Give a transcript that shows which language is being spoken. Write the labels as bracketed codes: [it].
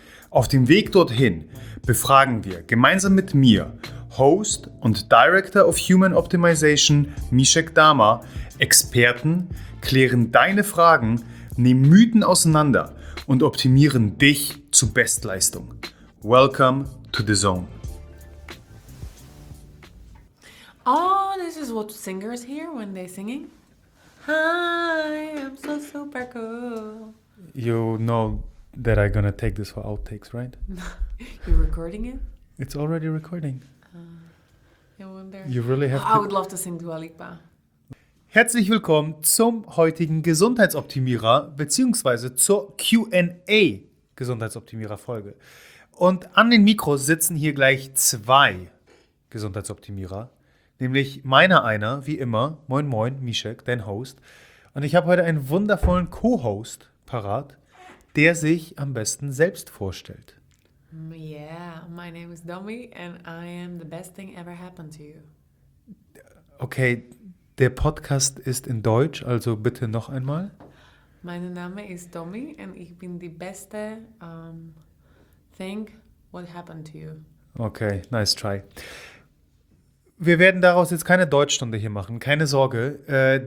[de] Auf dem Weg dorthin befragen wir gemeinsam mit mir, Host und Director of Human Optimization, Mishek Dama, Experten, klären deine Fragen, nehmen Mythen auseinander und optimieren dich zu Bestleistung. [en] Welcome to the Zone. Oh, this is what singers hear when they're singing. Hi, I'm so super cool. You know that I'm gonna take this for outtakes, right? You're recording it? It's already recording. You really have I would love to sing Dua Lipa. [de] Herzlich willkommen zum heutigen Gesundheitsoptimierer bzw. zur Q&A Gesundheitsoptimierer-Folge. Und an den Mikros sitzen hier gleich 2 Gesundheitsoptimierer. Nämlich meiner einer, wie immer, moin moin, Mishek, dein Host. Und ich habe heute einen wundervollen Co-Host parat, der sich am besten selbst vorstellt. [en] Yeah, my name is Domi and I am the best thing ever happened to you. [de] Okay, der Podcast ist in Deutsch, also bitte noch einmal. Mein Name ist Domi und ich bin die beste [en] thing what happened to you. Okay, nice try. [de] Wir werden daraus jetzt keine Deutschstunde hier machen, keine Sorge.